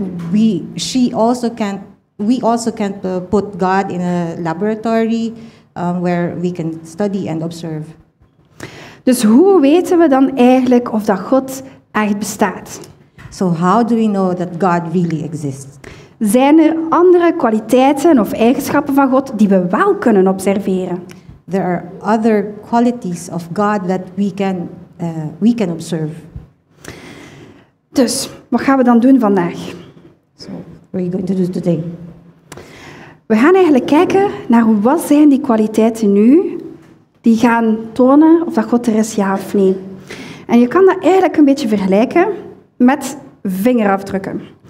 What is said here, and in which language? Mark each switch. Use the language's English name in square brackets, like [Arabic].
[English] We also can't put God in a laboratory where we can study and observe. [Dutch] Dus hoe weten we dan eigenlijk of dat God echt bestaat? [English] So how do we know that God really exists? [Dutch] Zijn er andere kwaliteiten of eigenschappen van God die we wel kunnen observeren? [English] There are other qualities of God that we can observe. [Dutch] Dus wat gaan we dan doen vandaag? [English] So what are you going to do today? [Dutch] We gaan eigenlijk kijken naar wat zijn die kwaliteiten nu die gaan tonen of dat God er is, ja of nee. En je kan dat eigenlijk een beetje vergelijken met vingerafdrukken.